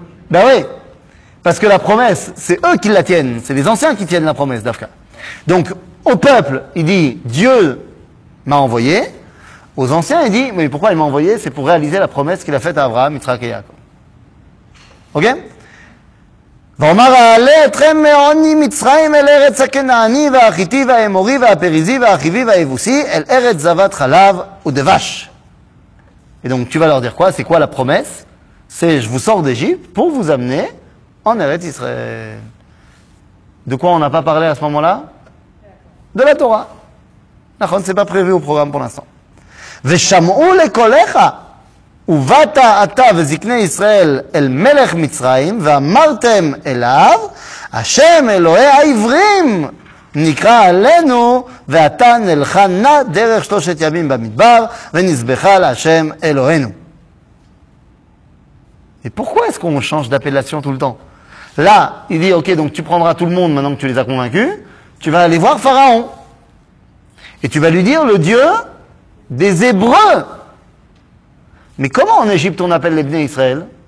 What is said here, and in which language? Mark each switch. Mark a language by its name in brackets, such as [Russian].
[French] Ben oui, parce que la promesse, c'est eux qui la tiennent, c'est les anciens qui tiennent la promesse d'Afka. Donc, au peuple, il dit, Dieu m'a envoyé. Aux anciens, il dit, mais pourquoi il m'a envoyé? C'est pour réaliser la promesse qu'il a faite à Abraham, Yitzhak et Yaakov. Ok? [Hebrew] ואומר אעלה אתכם מעוני מצרים אל ארץ הכנעני והחיתי והאמורי והפריזי והאחיבי והיבוסי אל ארץ זבת חלב ודבש. [French] Et donc tu vas leur dire quoi? C'est quoi la promesse? C'est je vous sors d'Égypte pour vous amener en Eretz Israël. De quoi on n'a pas parlé à ce moment-là? De la Torah. [Hebrew] נכון, [French] c'est pas prévu au programme pour l'instant. [Hebrew] ושמעו לקולך ובאת אתה וזקני ישראל אל מלך מצרים ואמרתם אליו השם אלוהי העברים נקרא עלינו ואתה נלכה נא דרך שלושת ימים במדבר ונזבחה להשם אלוהינו. [French] Et pourquoi est-ce qu'on change d'appellation tout le temps? Là, il dit, ok, donc tu prendras tout le monde maintenant que tu les as convaincus, tu vas aller voir Pharaon. Et tu vas lui dire le Dieu des Hébreux. Mais comment en Égypte on appelle les Bnei Israël?